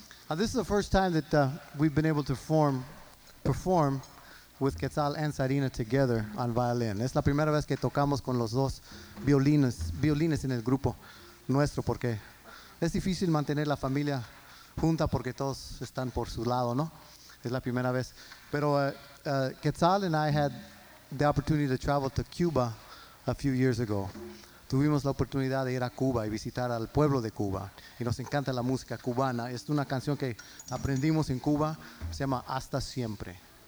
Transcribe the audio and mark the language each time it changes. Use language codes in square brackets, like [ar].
[en] This is the first time that we've been able to perform with Quetzal and Sarina together on violin. [es] Es la primera vez que tocamos con los dos violines en el grupo nuestro, porque es difícil mantener la familia junta porque todos están por su lado, ¿no? Es la primera vez. [en] Pero Quetzal and I had the opportunity to travel to Cuba a few years ago. [es] Tuvimos la oportunidad de ir a Cuba y visitar al pueblo de Cuba. Y nos encanta la música cubana. Es una canción que aprendimos en Cuba. Se llama Hasta Siempre.